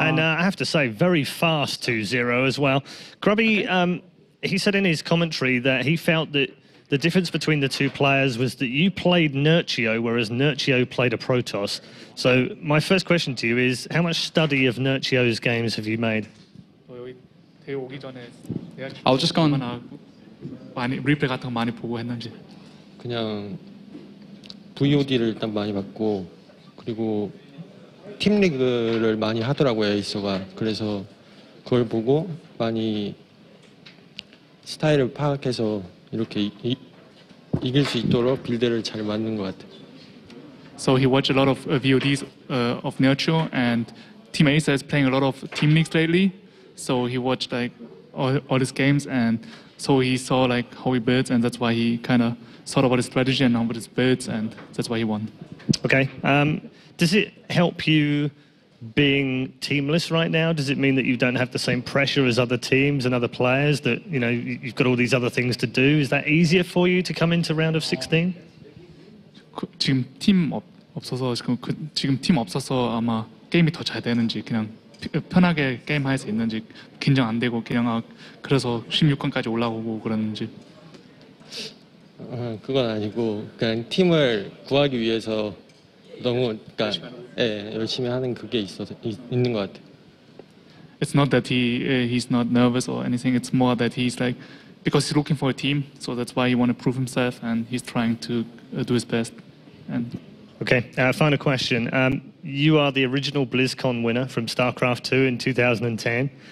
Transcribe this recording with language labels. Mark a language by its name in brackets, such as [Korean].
[English] And I have to say, very fast 2-0 as well. Grubby, he said in his commentary that he felt that the difference between the two players was that you played Nerchio, whereas Nerchio played a Protoss. So my first question to you is, how much study of Nerchio's games have you made? I'll just go on. [Korean] 많이 리플 같은 거 많이 보고 했는지. 그냥 VOD를 일단 많이 봤고 그리고 팀 리그를 많이 하더라고요 에이서가. 그래서 그걸 보고 많이 스타일을 파악해서 이렇게 이길 수 있도록 빌드를 잘 만든 것 같아요. [English] So he watched a lot of VODs of Nerchio, and Team Acer is playing a lot of team mix lately. So he watched like all his games, and so he saw like how he builds, and that's why he kind of thought about his strategy and about his builds, and that's why he won. Okay. Does it help you being teamless right now? Does it mean that you don't have the same pressure as other teams and other players, that you know you've got all these other things to do? Is that easier for you to come into round of 16? [Korean] 지금 팀 없어서 지금 그 지금 팀 없어서 아마 게임이 더 잘 되는지 그냥 편하게 게임 할 수 있는지 긴장 안 되고 그냥 아 그래서 16강까지 올라오고 그러는지. 그건 아니고 그냥 팀을 구하기 위해서 너무 그러니까 예, 열심히 하는 그게 있는 것 같아. [English] It's not that he's not nervous or anything. It's more that he's like because he's looking for a team, so that's why he want to prove himself and he's trying to do his best. Okay, final question. You are the original BlizzCon winner from StarCraft 2 in 2010.